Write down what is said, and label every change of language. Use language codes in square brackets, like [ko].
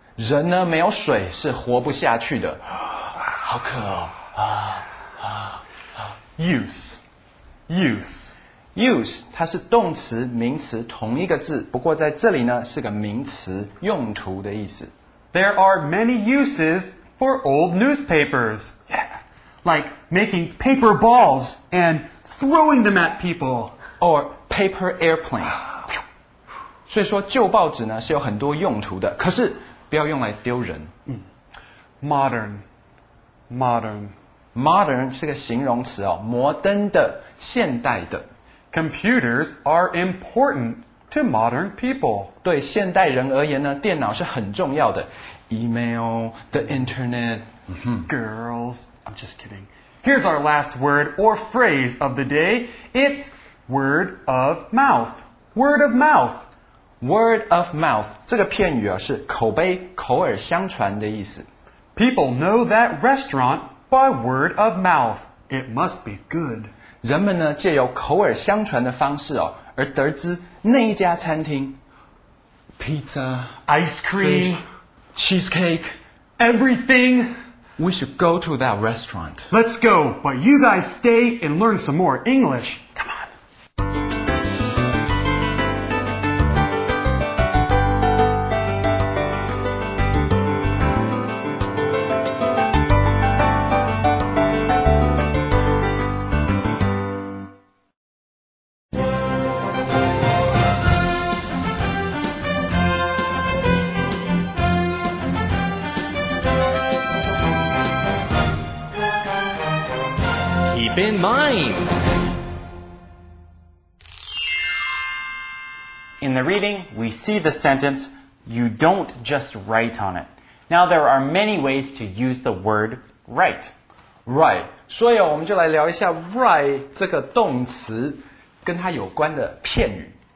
[zh] 人呢没有水是活不下去的好渴哦、 [en] Use [zh] 它是动词名词同一个字不过在这里呢是个名词用途的意思 [en] There are many uses for old newspapers Like making paper balls and throwing them at people Or paper airplanes [zh] 所以说旧报纸呢是有很多用途的可是不要用来丢人。 [en] Modern [zh] 是个形容词哦，摩登的，现代的。 [en] Computers are important to modern people. [zh] 对现代人而言呢，电脑是很重要的。 [en] Email, the internet, girls. I'm just kidding. Here's our last word or phrase of the day. It's word of mouth. Word of mouth. Word of mouth, [zh] 这个片语啊是口碑口耳相传的意思。 [en] People know that restaurant by word of mouth. It must be good. [zh] 人们呢借由口耳相传的方式哦而得知那一家餐厅 [en] Pizza, ice cream, fish, cheesecake, everything. We should go to that restaurant. Let's go, but you guys stay and learn some more English. keep in mind. In the reading, we see the sentence, you don't just write on it. Now, there are many ways to use the word write. Write. [zh] 所以我们就来聊一下 write 这个动词跟它有关的片语。